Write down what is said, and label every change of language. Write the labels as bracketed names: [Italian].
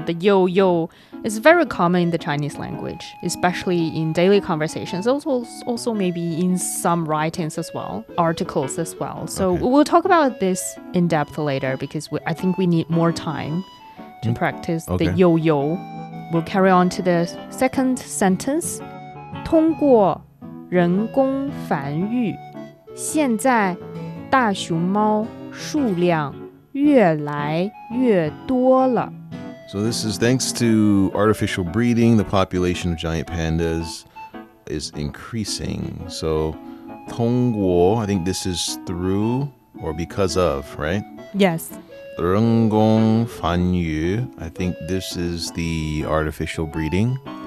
[English] The yo yo is very common in the Chinese language, especially in daily conversations. Also maybe in some writings as well, articles as well. So okay. We'll talk about this in depth later because I think we need more time to practice the yo yo. We'll carry on to the second sentence. [Chinese] 通过人工繁育，现在大熊猫数量越来越多了。 [English] So this is thanks to artificial breeding, the population of giant pandas is increasing. So 通过, I think this is through or because of, right? Yes. [Chinese] réngōng fányù. [English] I think this is the artificial breeding.